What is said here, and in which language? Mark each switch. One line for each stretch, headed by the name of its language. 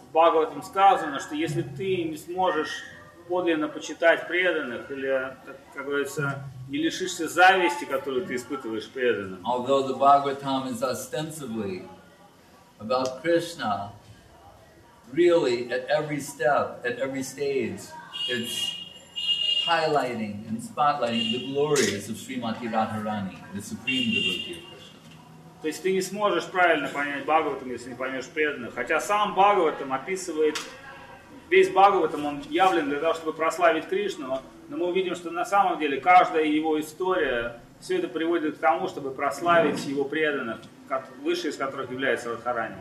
Russian: В Бхагаватам сказано, что если ты не сможешь подлинно почитать преданных, или, как говорится, не лишишься зависти, которую ты испытываешь преданным.
English: Although the Bhagavatam is ostensibly about Krishna, really, at every step, at every stage, it's highlighting and spotlighting the glories of Srimati Radharani, the supreme devotee of Krishna.
Russian: То есть ты не сможешь правильно понять Бхагаватам, если не поймешь преданных. Хотя сам Бхагаватам описывает, весь Бхагаватам, он явлен для того, чтобы прославить Кришну, но мы увидим, что на самом деле каждая его история, все это приводит к тому, чтобы прославить его преданных, высший из которых является Радхарани.